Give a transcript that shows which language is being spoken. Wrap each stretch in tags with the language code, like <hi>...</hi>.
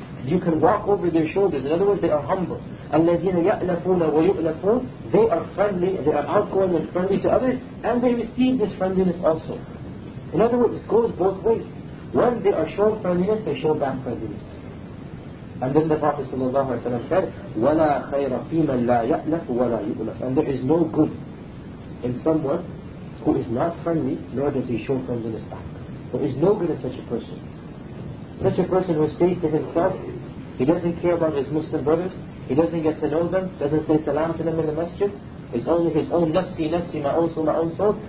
<en>you can walk over their shoulders. In other words, they are humble.</en> <ar>الَّذِينَ يَأْلَفُونَ وَيُؤْلَفُونَ,</ar> <en>they are friendly, they are outgoing and friendly to others, and they receive this friendliness also. In other words, this goes both ways. When they are shown friendliness, they show back friendliness. And then the Prophet ﷺ said,</en> <ar>وَلَا خَيْرَ فِي مَنْ لَا يَأْلَفُ وَلَا يُؤْلَفُ.</ar> <en>And there is no good in someone who is not friendly, nor does he show friendliness back. There is no good in such a person. Such a person who stays to himself, he doesn't care about his Muslim brothers, he doesn't get to know them, doesn't say salam to them in the masjid, it's only his own nafsi, nafsi, ma'unso, ma'unso.</en>